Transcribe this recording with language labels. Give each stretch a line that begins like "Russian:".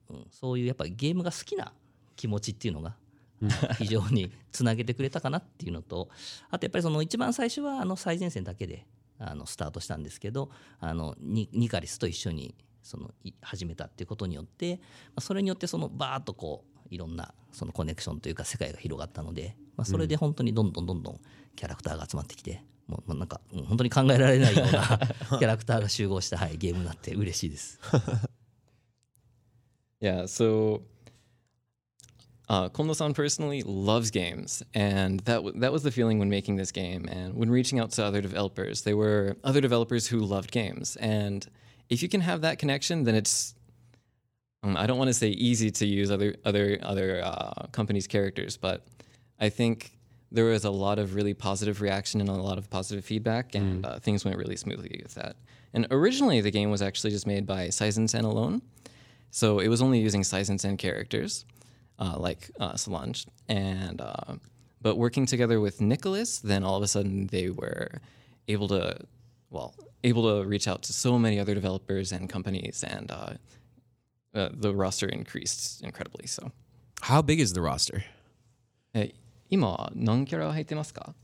Japanese: そういうやっぱりゲームが好きな気持ちっていうのが非常につなげてくれたかなっていうのと、あとやっぱりその一番最初は最前線だけでスタートしたんですけど、ニカリスと一緒にその始めたっていうことによって、それによってそのバーッとこういろんなそのコネクションというか世界が広がったので、それで本当にどんどんどんどんキャラクターが集まってきて、もうなんか本当に考えられないようなキャラクターが集合した、はい、ゲームになって嬉しいです。
English: Yeah, so Kondo-san personally loves games, and that was the feeling when making this game and when reaching out to other developers. They were other developers who loved games, and if you can have that connection, then it's, I don't want to say easy to use other companies' characters, but I think there was a lot of really positive reaction and a lot of positive feedback, and things went really smoothly with that. And originally, the game was actually just made by Seizensen alone. So it was only using Seizensen characters, like Solange. But working together with Nicholas, then all of a sudden they were able to reach out to so many other developers and companies, and the roster increased incredibly. So, how big is the roster?
Japanese: 今何キャラ入ってますか？